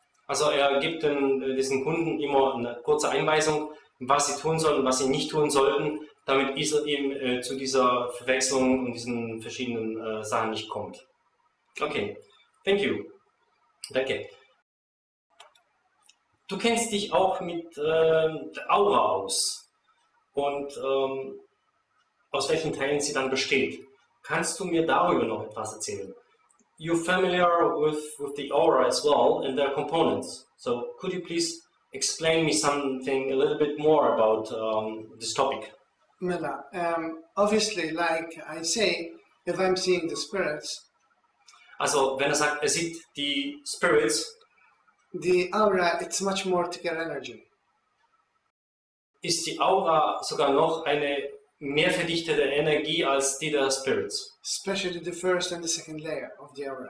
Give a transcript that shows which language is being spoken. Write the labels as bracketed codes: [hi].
[de] Also er gibt diesen Kunden immer eine kurze Einweisung, was sie tun sollen, was sie nicht tun sollten, damit es eben zu dieser Verwechslung und diesen verschiedenen Sachen nicht kommt. [en] Okay, thank you. Danke. [de] Du kennst dich auch mit der Aura aus und aus welchen Teilen sie dann besteht. Kannst du mir darüber noch etwas erzählen? [en] You're familiar with the aura as well and their components. So could you please explain me something a little bit more about this topic? Mila, obviously, like I say, if I'm seeing the spirits. [de] Also, wenn er sagt, er sieht die spirits. [en] The aura, it's much more thicker energy. [de] Ist die Aura sogar noch eine mehr verdichtete Energie als die der Spirits. [en] Especially the first and the second layer of the aura.